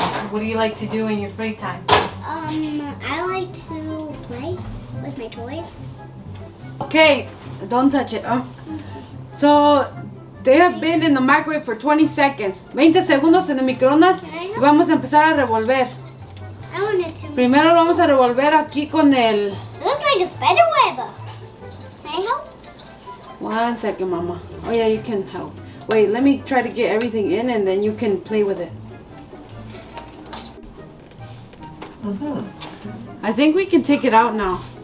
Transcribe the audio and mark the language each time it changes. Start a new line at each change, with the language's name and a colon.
English: What do you like to do in your free time? I like to play with my toys. Okay, don't touch it. Okay. So they have been in the microwave for 20 seconds.
Spanish: 20 segundos en el microondas. Y vamos a empezar a revolver.
English: I want it to be.
Spanish: Primero lo vamos a revolver aquí con el.
English: It looks like a spider web. Can I help? One second, mama. Oh yeah, you can help. Wait, let me try to get everything in and then you can play with it. Mm-hmm. I think we can take it out now.